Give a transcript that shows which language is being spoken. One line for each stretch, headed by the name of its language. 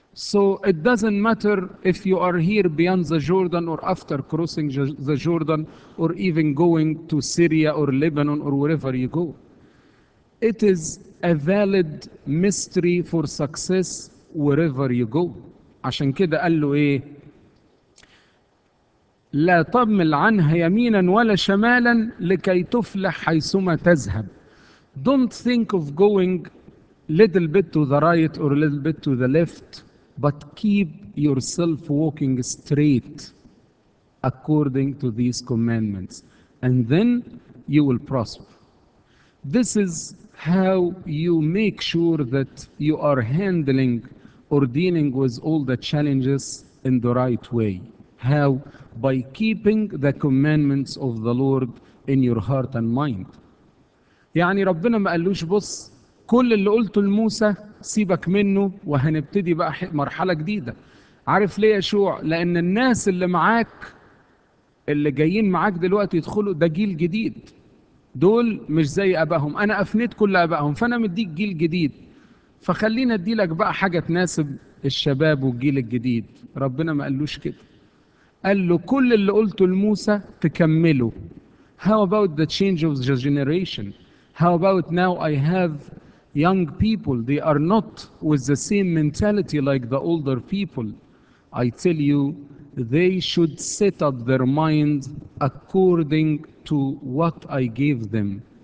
English: So it doesn't matter if you are here beyond the Jordan or after crossing the Jordan or even going to Syria or Lebanon or wherever you go. It is a valid mystery for success wherever you go.
Arabic: عشان كده قال له ايه؟ لا تمل عنها يمينا ولا شمالا لكي تفلح حيثما تذهب.
English: Don't think of going little bit to the right or little bit to the left, but keep yourself walking straight according to these commandments, and then you will prosper. This is how you make sure that you are handling or dealing with all the challenges in the right way. How? By keeping the commandments of the Lord in your heart and mind.
Arabic: يعني ربنا ما قالوش بص كل اللي قلته لموسى سيبك منه وهنبتدي بقى مرحلة جديدة. عارف ليه يا شوع؟ لأن الناس اللي معاك اللي جايين معاك دلوقتي يدخلوا ده جيل جديد. دول مش زي أباهم, أنا أفنيت كل أباهم فأنا مديك جيل جديد. فخلينا أدي لك بقى حاجة تناسب الشباب والجيل الجديد. ربنا ما قالوش كده. قال له كل اللي قلته لموسى تكمله.
English: How about the change of the generation? How about now I have young people, they are not with the same mentality like the older people. I tell you, they should set up their minds according to what I gave them.